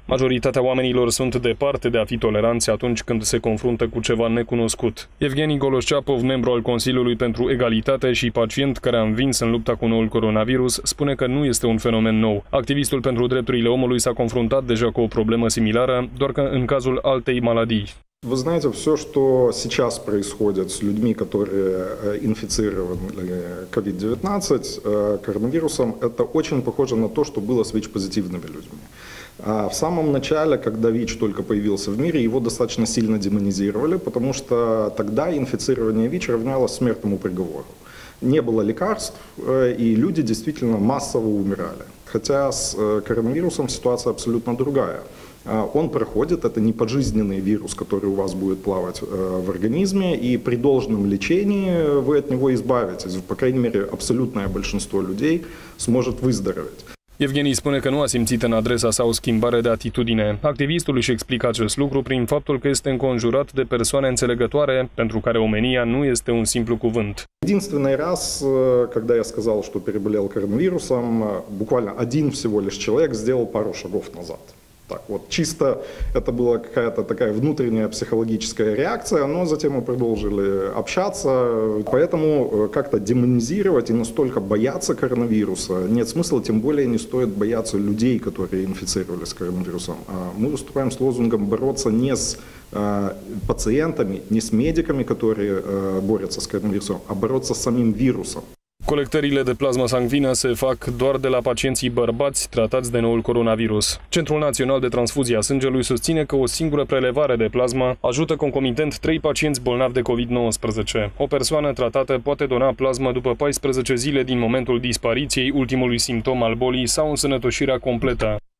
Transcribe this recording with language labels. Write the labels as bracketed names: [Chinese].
[Romanian] Majoritatea oamenilor sunt departe de a fi toleranți atunci când se confruntă cu ceva necunoscut. Evgeni Goloșceapov, membru al Consiliului pentru Egalitate și pacient care a învins în lupta cu noul coronavirus, spune că nu este un fenomen nou. Activistul pentru drepturile omului s-a confruntat deja cu o problemă similară, doar că în cazul altei maladii. [Russian] Вы знаете, все, что сейчас происходит с людьми, которые инфицированы COVID-19 коронавирусом, это очень похоже на то, что было с ВИЧ-позитивными людьми. А в самом начале, когда ВИЧ только появился в мире, его достаточно сильно демонизировали, потому что тогда инфицирование ВИЧ равнялось смертному приговору. Не было лекарств, и люди действительно массово умирали. Хотя с коронавирусом ситуация абсолютно другая. Он проходит, это не пожизненный вирус, который у вас будет плавать в организме, и при должном лечении вы от него избавитесь. По крайней мере, абсолютное большинство людей сможет выздороветь. [Romanian] Evgenii spune că nu a simțit în adresa sa o schimbare de atitudine. Activistul își explică acest lucru prin faptul că este înconjurat de persoane înțelegătoare, pentru care omenia nu este un simplu cuvânt. [Russian] Единственный раз, когда я сказал, что переболел коронавирусом, буквально один всего лишь человек сделал пару шагов назад. Так вот, чисто это была какая-то такая внутренняя психологическая реакция, но затем мы продолжили общаться. Поэтому как-то демонизировать и настолько бояться коронавируса нет смысла, тем более не стоит бояться людей, которые инфицировались коронавирусом. Мы выступаем с лозунгом бороться не с пациентами, не с медиками, которые борются с коронавирусом, а бороться с самим вирусом. [Romanian] Colectările de plasmă sanguină se fac doar de la pacienții bărbați tratați de noul coronavirus. Centrul Național de Transfuzie a Sângelui susține că o singură prelevare de plasmă ajută concomitent 3 pacienți bolnavi de COVID-19. O persoană tratată poate dona plasmă după 14 zile din momentul dispariției ultimului simptom al bolii sau însănătoșirea completă.